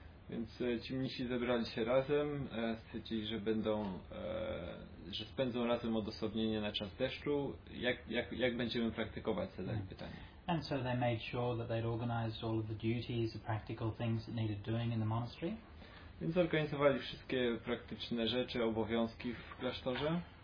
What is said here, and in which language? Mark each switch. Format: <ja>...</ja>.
<pl>Więc ci mnisi zebrali się razem, stwierdzili, że będą, że spędzą razem odosobnienie na czas deszczu. Jak będziemy praktykować? Zadali pytanie.</pl> <en>And so they made sure that they'd organized all of the duties, the practical things that needed doing in the monastery.</en> <pl>Więc zorganizowali wszystkie praktyczne rzeczy, obowiązki w klasztorze.</pl>